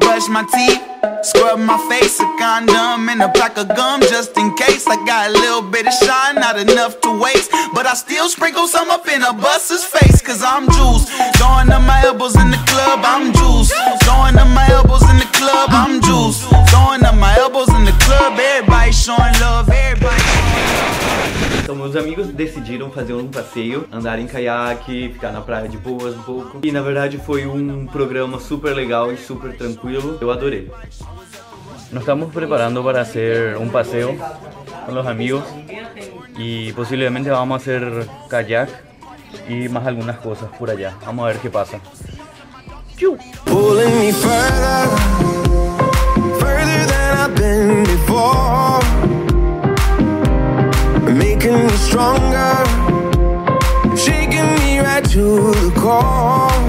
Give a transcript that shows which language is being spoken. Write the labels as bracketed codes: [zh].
[en] My teeth, scrub my face, a condom and a pack of gum just in case. I got a little bit of shine, not enough to waste, but I still sprinkle some up in a bus's face. Cause I'm juice, throwing up my elbows in the club. I'm juice, throwing up my elbows in the club. I'm juice, throwing up my elbows in the club. Everybody showing love, everybody. [pt] Então meus amigos decidiram fazer um passeio, andar em caiaque, ficar na praia de boas um pouco. E na verdade foi um programa super legal e super tranquilo, eu adorei. [es] Nos estamos preparando para hacer un paseo con los amigos y posiblemente vamos a hacer kayak y más algunas cosas por allá. Vamos a ver qué pasa. [en] Pulling me further, further than I've been before. Making me stronger, shaking me right to the core.